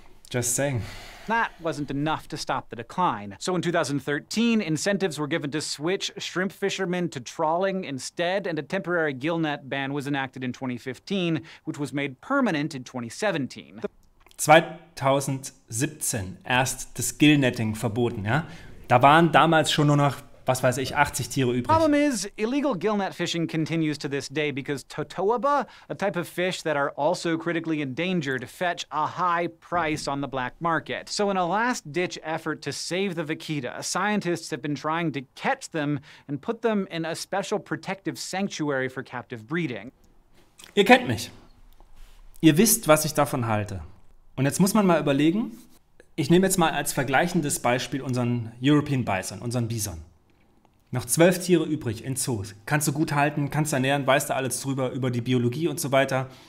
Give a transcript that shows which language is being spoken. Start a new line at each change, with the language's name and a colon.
English: Just saying. That wasn't enough to stop the decline. So in 2013, incentives were given to switch shrimp fishermen to trawling instead, and a temporary gillnet ban was enacted in 2015, which was made permanent in 2017.
German: 2017 erst das Gillnetting verboten, ja? Da waren damals schon nur noch, was weiß ich, 80 Tiere übrig.
English: Problem is, illegal gillnet fishing continues to this day because totoaba, a type of fish that are also critically endangered, fetch a high price on the black market. So in a last ditch effort to save the vaquita, scientists have been trying to catch them and put them in a special protective sanctuary for captive breeding.
German: Ihr kennt mich. Ihr wisst, was ich davon halte. Und jetzt muss man mal überlegen, ich nehme jetzt mal als vergleichendes Beispiel unseren European Bison, unseren Bison. Noch 12 Tiere übrig in Zoos. Kannst du gut halten, kannst ernähren, weißt du alles drüber, über die Biologie und so weiter.